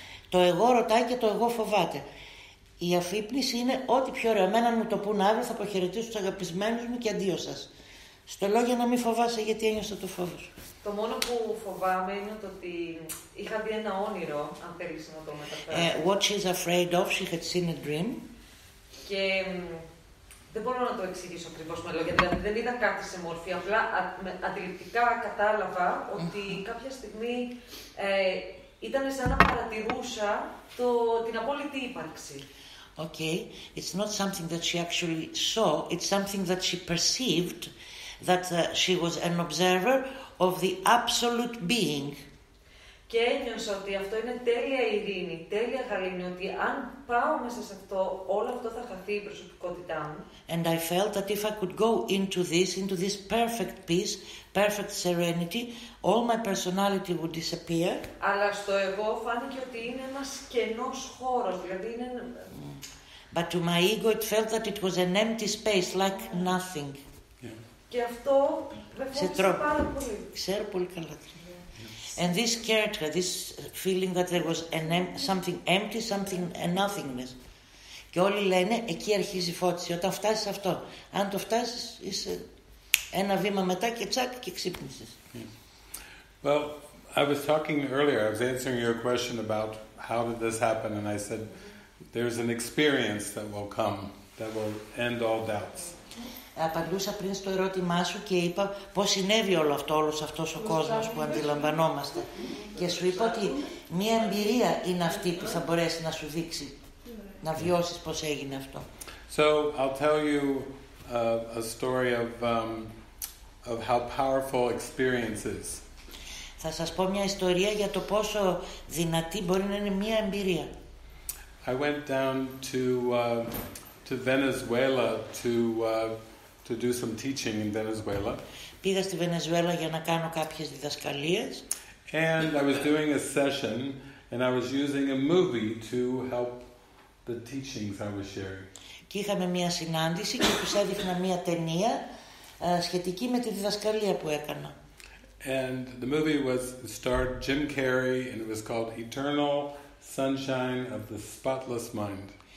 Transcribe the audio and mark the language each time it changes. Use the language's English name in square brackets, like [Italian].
[Greek] Το εγώ ρωτάει και το εγώ φοβάται. Η αφύπνιση είναι ό,τι πιο ωραίο. Εμένα μου το πούν αύριο, θα αποχαιρετήσω τους αγαπημένους μου και αντίο σας. Στο λόγιο να μην φοβάσαι γιατί ένιωσα το φόβο σου. Το μόνο που φοβάμαι είναι ότι είχα δει ένα όνειρο, αν θέλεις να το μεταφράσω. [English] What she's afraid of, she had seen a dream. [Greek] Και δεν μπορώ να το εξηγήσω ακριβώς με λόγια, δηλαδή δεν είδα κάτι σε μορφή, απλά αντιληπτικά κατάλαβα ότι κάποια στιγμή ήταν σαν να παρατηρούσα την απόλυτη ύπαρξη. [English] Okay, it's not something that she actually saw, it's something that she perceived, that she was an observer of the absolute being. [Greek] Και ένιωσα ότι αυτό είναι τέλεια ειρήνη, τέλεια γαλήνη, ότι αν πάω μέσα σε αυτό, όλο αυτό θα χαθεί η προσωπικότητά μου. [English] And I felt that if I could go into this perfect peace, perfect serenity, all my personality would disappear. [Greek] Αλλά στο εγώ φάνηκε ότι είναι ένας κενός χώρος, δηλαδή είναι... [English] But to my ego it felt that it was an empty space, like nothing. [Greek] Και αυτό με φόβησε πάρα πολύ. Ξέρω πολύ καλά. [English] And this scared her, this feeling that there was something empty, something a nothingness. [Greek] Και όλοι λένε, εκεί αρχίζει η φώτιση, όταν φτάσεις αυτό. Αν το φτάσεις, είσαι ένα βήμα μετά και τσακ και ξύπνησες. [English] Well, I was talking earlier, I was answering your question about how did this happen, and I said, there's an experience that will come, that will end all doubts. [Greek] Απαντούσα πριν στο ερώτημά σου και είπα πώς συνέβη όλο αυτό, όλος αυτός ο κόσμος που αντιλαμβανόμαστε. Και σου είπα ότι μία εμπειρία είναι αυτή που θα μπορέσει να σου δείξει, να βιώσεις πώς έγινε αυτό. [English] So, I'll tell you a story of how powerful experience is. [Greek] Θα σας πω μια ιστορία για το πόσο δυνατή μπορεί να είναι μία εμπειρία. [English] I went down to Venezuela to do some teaching in Venezuela. [Greek] Πήγα στη Βενεζουέλα για να κάνω κάποιες διδασκαλίες. [English] And I was doing a session and I was using a movie to help the teachings I was sharing. [Greek] Και είχαμε μια συνάντηση και τους έδειχνα μια ταινία σχετική με τη διδασκαλία που έκανα. [English] And the movie was starred Jim Carrey and it was called Eternal Sunshine of the Spotless Mind.